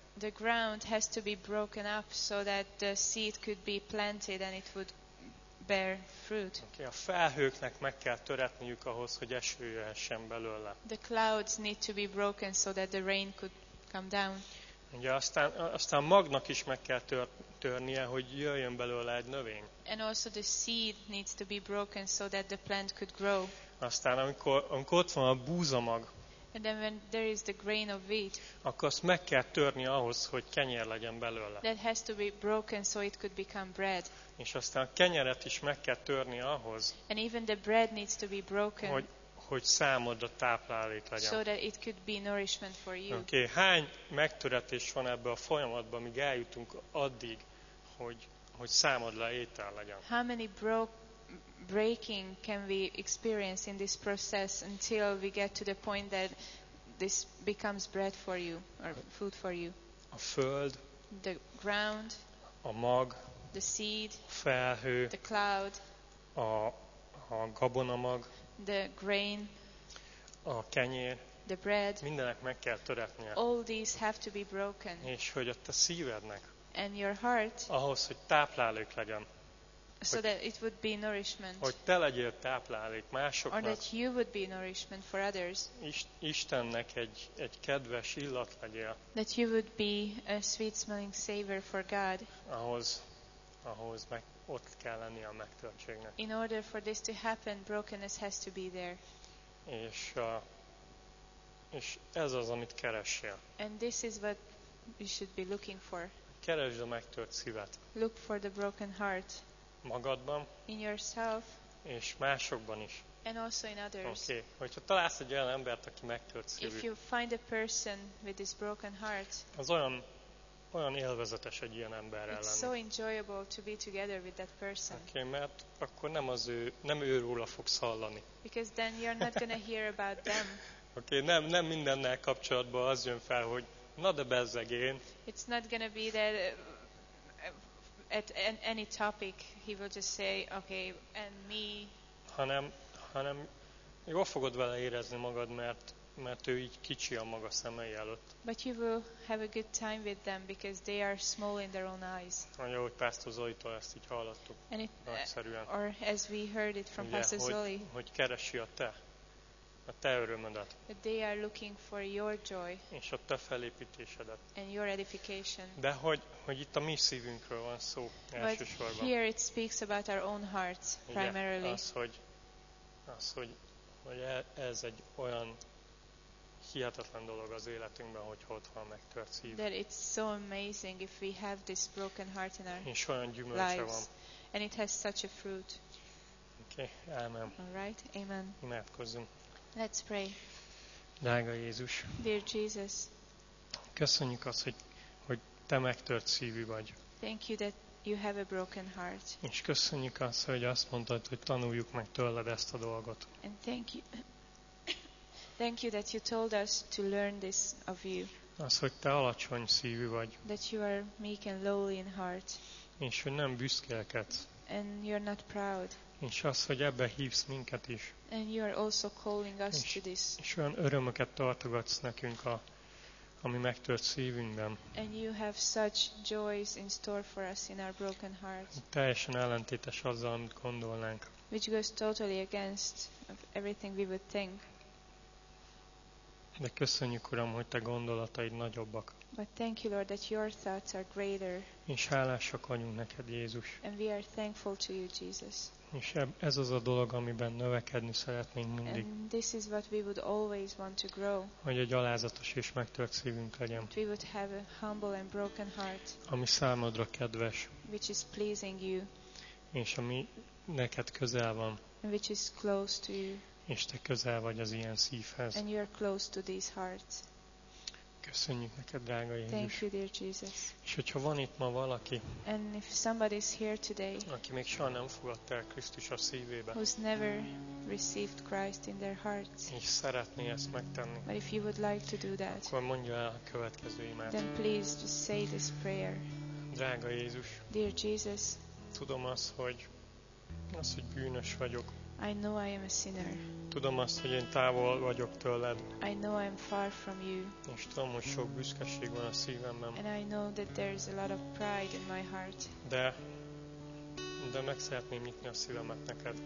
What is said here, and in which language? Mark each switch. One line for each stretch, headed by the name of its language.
English: The ground has to be broken up so that the seed could be planted and it would bear fruit.
Hungarian: Okay, a felhőknek meg kell töretniük ahhoz, hogy eső jöhessen belőle.
English: The clouds need to be broken so that the rain could come down.
Hungarian: Ugye, aztán magnak is meg kell törnie, hogy jöjjön belőle egy növény.
English: And also the seed needs to be broken so that the plant could grow.
Hungarian: Aztán amikor ott van a búzamag,
English: and then when there is the grain of wheat,
Hungarian: akkor azt meg kell törni ahhoz, hogy kenyer legyen belőle.
English: That has to be broken so it could become bread.
Hungarian: És aztán a kenyeret is meg kell törni ahhoz,
English: and even the bread needs to be broken,
Hungarian: hogy számodra táplálék legyen.
English: So that it could be nourishment for you.
Hungarian: Okay, hány megtöretés van ebbe a folyamatban, míg eljutunk addig, hogy számodra étel legyen?
English: How many breaking can we experience in this process until we get to the point that this becomes bread for you or food for you?
Hungarian: A föld,
English: the ground,
Hungarian: a mag,
English: the seed,
Hungarian: felhő,
English: the cloud,
Hungarian: a gabonamag,
English: the grain,
Hungarian: a kenyér,
English: the bread,
Hungarian: mindenek meg kell töretnie.
English: All these have to be broken.
Hungarian: És hogy a te szívednek,
English: and your heart,
Hungarian: ahhoz, hogy táplálék legyen,
English: so that it would be nourishment,
Hungarian: hogy te legyél táplálék másoknak,
English: or that you would be nourishment for others,
Hungarian: Istennek egy kedves illat legyél,
English: that you would be a sweet smelling savor for God,
Hungarian: ahhoz meg ott kell lenni a megtörtségnek.
English: In order for this to happen, brokenness has to be there.
Hungarian: És ez az, amit keresél.
English: And this is what you should be looking for.
Hungarian: Keresd a megtört szívet.
English: Look for the broken heart.
Hungarian: Magadban,
English: in yourself,
Hungarian: és másokban is.
English: And also in others. Okay.
Hungarian: Hogyha találsz egy olyan embert, aki megtört szívű,
English: if you find a person with this broken heart,
Hungarian: az olyan élvezetes egy ilyen emberrel lenni.
English: It's so enjoyable to be together with that person.
Hungarian: Okay, mert akkor nem őről fogsz hallani.
English: Because then you're not gonna hear about them.
Hungarian: Okay, nem mindennel kapcsolatban az jön fel, hogy na de bezzeg én.
English: It's not gonna be that at any topic he will just say okay and me,
Hungarian: hanem jól fogod vele érezni magad, mert ő így kicsi a maga szemei előtt.
English: But you will have a good time with them because they are small in their own eyes.
Hungarian: Jó, hogy Pastor Zoli-tól ezt így hallottuk. Nagyszerűen.
English: Or as we heard it from Pastor Zoli.
Hungarian: Hogy keresi a te örömödet.
English: They are looking for your joy.
Hungarian: És a te felépítésedet.
English: And your edification.
Hungarian: De hogy itt a mi szívünkről van szó elsősorban.
English: But here it speaks about our own hearts primarily.
Hungarian: Igen, az, hogy ez egy olyan hihetetlen dolog az életünkben, hogy ott van megtört szív.
English: That it's so amazing if we have this broken heart in our lives.
Hungarian: És olyan gyümölcse van.
English: And it has such a fruit.
Hungarian: Okay, amen.
English: All right, amen.
Hungarian: Imádkozzunk.
English: Let's pray.
Hungarian: Drága Jézus.
English: Dear Jesus.
Hungarian: Köszönjük azt, hogy te megtört szívű vagy.
English: Thank you that you have a broken heart.
Hungarian: És köszönjük azt, hogy azt mondtad, hogy tanuljuk meg tőled ezt a dolgot.
English: And thank you that you told us to learn this of you.
Hungarian: Az, hogy te alacsony szívű vagy.
English: That you are meek and lowly in heart.
Hungarian: És hogy nem büszkélkedsz.
English: And you're not proud.
Hungarian: És az, hogy ebbe hívsz minket is.
English: And you are also calling us to this.
Hungarian: És olyan örömöket tartogatsz nekünk, ami megtört szívünkben.
English: And you have such joys in store for us in our broken hearts.
Hungarian: Teljesen ellentétes azzal, amit gondolnánk.
English: Which goes totally against everything we would think.
Hungarian: De köszönjük, Uram, hogy te gondolataid nagyobbak.
English: But thank you, Lord, that your thoughts are greater.
Hungarian: És hálásak vagyunk neked, Jézus.
English: And we are thankful to you, Jesus.
Hungarian: És ez az a dolog, amiben növekedni szeretnénk mindig.
English: And this is what we would always want to grow.
Hungarian: Hogy egy alázatos és megtört szívünk legyen.
English: We would have a humble and broken heart.
Hungarian: Ami számodra kedves.
English: Which is pleasing you.
Hungarian: És ami neked közel van.
English: And which is close to you.
Hungarian: És te közel vagy az ilyen szívhez.
English: And you are close to these hearts.
Hungarian: Köszönjük neked, drága Jézus.
English: Thank you, dear Jesus.
Hungarian: És hogyha van itt ma valaki,
English: and if somebody is here today,
Hungarian: aki még soha nem fogadta el Krisztus a szívébe,
English: who's never received Christ in their hearts,
Hungarian: és szeretné ezt megtenni,
English: but if you would like to do that,
Hungarian: akkor mondja el a következő imát.
English: Then please just say this prayer.
Hungarian: Drága Jézus,
English: dear Jesus,
Hungarian: tudom az, hogy bűnös vagyok.
English: I know I am a sinner.
Hungarian: Tudom azt, hogy én távol vagyok tőled.
English: I know I'm far from you.
Hungarian: És tudom, hogy sok büszkeség van a szívemben.
English: And I know that there is a lot of pride in my heart.
Hungarian: De meg szeretném nyitni a szívemet neked.